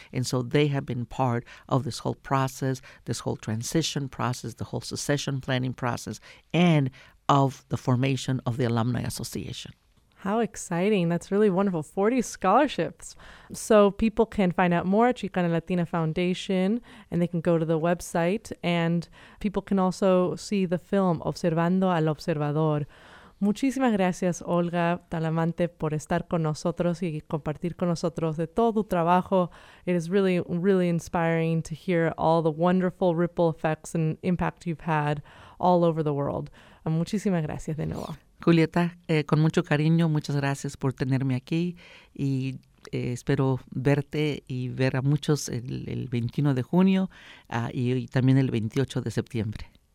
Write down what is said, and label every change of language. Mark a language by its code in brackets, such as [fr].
[en] And so they have been part of this whole process, this whole transition process, the whole succession planning process, and of the formation of the Alumni Association. How exciting. That's really wonderful. 40 scholarships. So people can find out more at Chicana Latina Foundation, and they can go to the website, and people can also see the film Observando al Observador. [es] Muchísimas gracias, Olga Talamante, por estar con nosotros y compartir con nosotros de todo tu trabajo. [en] It is really, really inspiring to hear all the wonderful ripple effects and impact you've had all over the world. [es] Muchísimas gracias de nuevo. Julieta, con mucho cariño, muchas gracias por tenerme aquí y espero verte y ver a muchos el 21 de junio y también el 28 de septiembre.